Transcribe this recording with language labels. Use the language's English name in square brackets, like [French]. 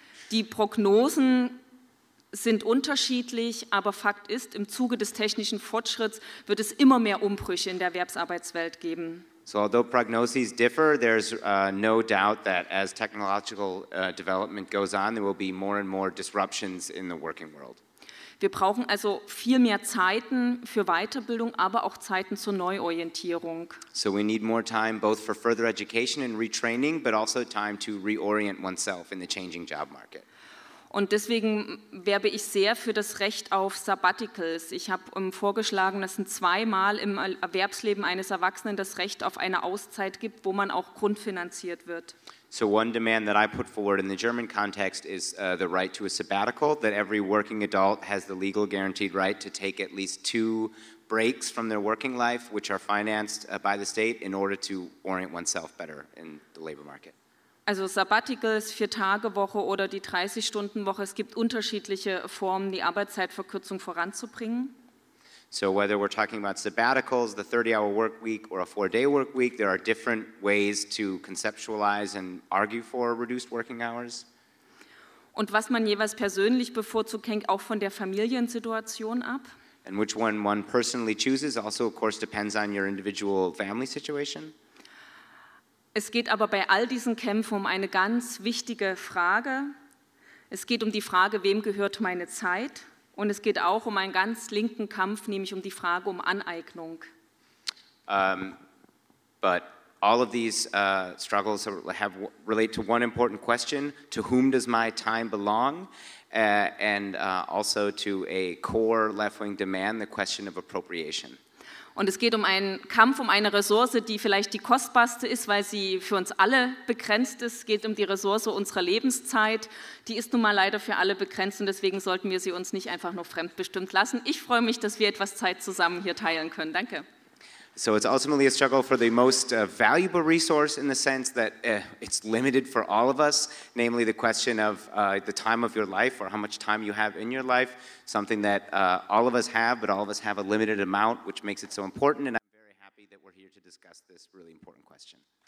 [German] Die Prognosen sind unterschiedlich, aber Fakt ist, im Zuge des technischen Fortschritts wird es immer mehr Umbrüche in der Erwerbsarbeitswelt geben. [English] So although prognoses differ, there's no doubt that as technological development goes on, there will be more and more disruptions in the working world. [German] Wir brauchen also viel mehr Zeiten für Weiterbildung, aber auch Zeiten zur Neuorientierung. [English] So we need more time both for further education and retraining, but also time to reorient oneself in the changing job market. [German] Und deswegen werbe ich sehr für das Recht auf Sabbaticals. Ich habe vorgeschlagen, dass es zweimal im Erwerbsleben eines Erwachsenen das Recht auf eine Auszeit gibt, wo man auch grundfinanziert wird. [English] So one demand that I put forward in the German context is the right to a sabbatical, that every working adult has the legal guaranteed right to take at least 2 breaks from their working life, which are financed by the state, in order to orient oneself better in the labor market. [German] Also Sabbaticals, 4-Tage-Woche oder die 30-Stunden-Woche. Es gibt unterschiedliche Formen, die Arbeitszeitverkürzung voranzubringen. [English] So whether we're talking about sabbaticals, the 30-hour work week or a 4-day work week, there are different ways to conceptualize and argue for reduced working hours. [German] Und was man jeweils persönlich bevorzugt, hängt auch von der Familiensituation ab. [English] And which one personally chooses also of course depends on your individual family situation. [German] Es geht aber bei all diesen Kämpfen um eine ganz wichtige Frage, Es geht um die Frage, wem gehört meine Zeit? Und es geht auch um einen ganz linken Kampf, nämlich um die Frage um Aneignung. [English] But all of these struggles relate to one important question: to whom does my time belong? Also to a core left-wing demand, the question of appropriation. [German] Und es geht um einen Kampf um eine Ressource, die vielleicht die kostbarste ist, weil sie für uns alle begrenzt ist. Es geht um die Ressource unserer Lebenszeit. Die ist nun mal leider für alle begrenzt und deswegen sollten wir sie uns nicht einfach nur fremdbestimmt lassen. Ich freue mich, dass wir etwas Zeit zusammen hier teilen können. Danke. [English] So it's ultimately a struggle for the most valuable resource in the sense that it's limited for all of us, namely the question of the time of your life or how much time you have in your life, something that all of us have, but all of us have a limited amount, which makes it so important, and I'm very happy that we're here to discuss this really important question.